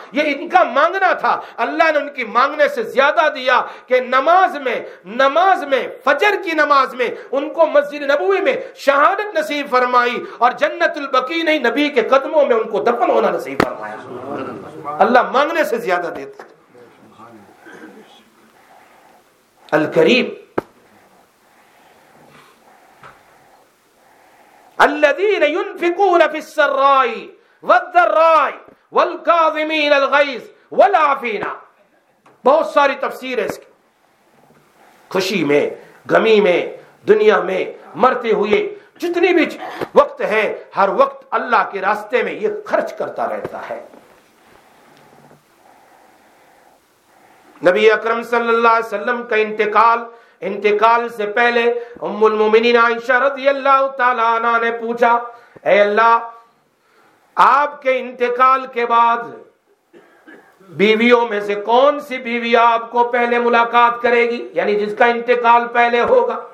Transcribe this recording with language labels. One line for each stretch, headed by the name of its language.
Urdu: یہ ان کا مانگنا تھا. اللہ نے ان کی مانگنے سے زیادہ دیا کہ نماز میں فجر کی نماز میں ان کو مسجد نبوی میں شہادت نصیب فرمائی اور جنت البقیع نہیں نبی کے قدموں میں ان کو دفن ہونا نصیب فرمایا. اللہ مانگنے سے زیادہ دیتا.
Arabic: الکریم الذين ينفقون في السراء والضراء والكاظمين الغيظ والعافين.
Urdu: بہت ساری تفسیر ہے اس کی. خوشی میں, غمی میں, دنیا میں مرتے ہوئے جتنی بھی وقت ہے ہر وقت اللہ کے راستے میں یہ خرچ کرتا رہتا ہے. نبی اکرم صلی اللہ علیہ وسلم کا انتقال سے پہلے ام المومنین عائشہ رضی اللہ تعالی عنہ نے پوچھا, اے اللہ آپ کے انتقال کے بعد بیویوں میں سے کون سی بیوی آپ کو پہلے ملاقات کرے گی, یعنی جس کا انتقال پہلے ہوگا.